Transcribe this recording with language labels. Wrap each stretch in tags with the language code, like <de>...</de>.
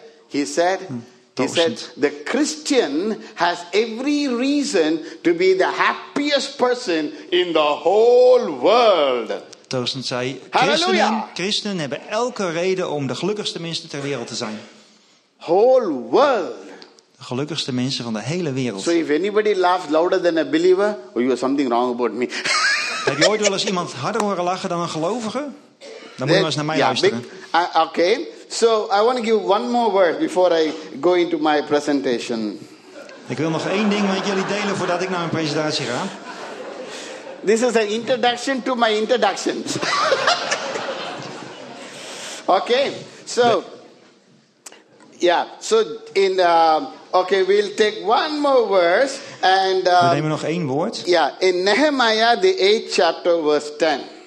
<en>He said, the Christian has every reason to be the happiest person in the whole world.</en> <nl>Tozer zei, Christen hebben elke reden om de gelukkigste mensen ter wereld te zijn.</nl> <en>Whole world.</en> <nl>De gelukkigste mensen van de hele wereld.</nl> <en>So if anybody laughs louder than a believer, or you have something wrong about me.</en> <nl>Heb je ooit wel eens iemand harder horen lachen dan een gelovige? Dan moet je maar eens naar mij luisteren.</nl> <en>Okay. So I want to give one more word before I go into my presentation.</en> <nl>Ik wil nog één ding met jullie delen voordat ik naar mijn presentatie ga.</nl> <en>This is an introduction to my introduction. Okay. So. Yeah, so in okay, we'll take one more verse and</en> <nl>we nemen nog één woord.</nl> <en>Yeah, in Nehemiah the 8th chapter verse 10.</en>